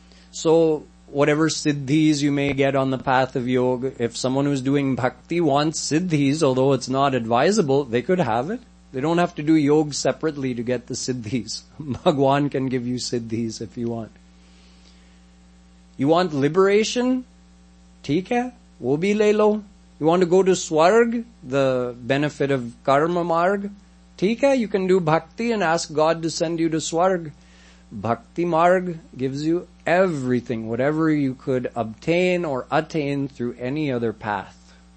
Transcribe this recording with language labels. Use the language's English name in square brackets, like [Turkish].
[English] So whatever siddhis you may get on the path of yoga, if someone who's doing bhakti wants siddhis, although it's not advisable, they could have it. They don't have to do yoga separately to get the siddhis. Bhagwan can give you siddhis if you want. You want liberation? [Hindi] ठीक है, वो भी ले लो। [English] You want to go to swarg, the benefit of karma marg? [Hindi] Theek hai, [English] you can do bhakti and ask God to send you to swarg. Bhakti marg gives you everything, whatever you could obtain or attain through any other path.